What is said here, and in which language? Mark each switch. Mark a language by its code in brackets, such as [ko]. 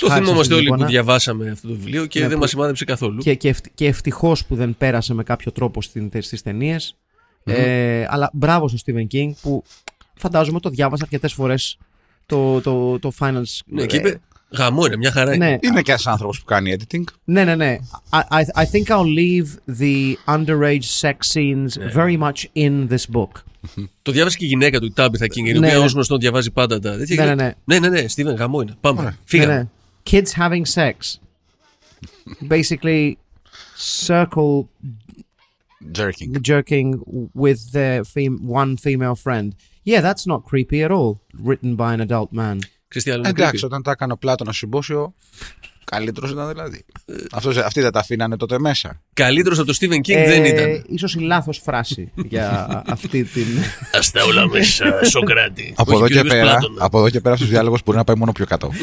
[el] το θυμόμαστε όλοι που διαβάσαμε αυτό το βιβλίο και δεν μας σημάδεψε καθόλου. Και ευτυχώς που δεν πέρασε με κάποιο τρόπο στις ταινίες. Αλλά μπράβο στον Stephen King που φαντάζομαι το διάβασα αρκετές φορές το Final. Ναι, και είπε, Γαμό είναι, μια χαρά είναι. Είναι και ένας άνθρωπος που κάνει editing. Ναι, ναι, ναι. [en] I think I'll leave the underage sex scenes very much in this book. [el] Το διάβασε και η γυναίκα του, η Tabitha King, η οποία ως γνωστό διαβάζει πάντα τα. Ναι, Steven, γαμό είναι. Πάμε, φύγαμε. [en] Kids having sex. Basically, circle jerking with their one female friend. Yeah, that's not creepy at all, written by an adult man. [el] Εντάξει, όταν τα έκανε ο Πλάτωνας συμπόσιο, καλύτερος ήταν δηλαδή. Αυτοί δεν τα αφήνανε τότε μέσα. Καλύτερος από τον Στίβεν Κίνγκ δεν ήταν. Ίσως η λάθος φράση για αυτή την. Ας τα όλα μέσα, Σοκράτη. Από εδώ και πέρα στους διάλογους μπορεί να πάει μόνο πιο κάτω.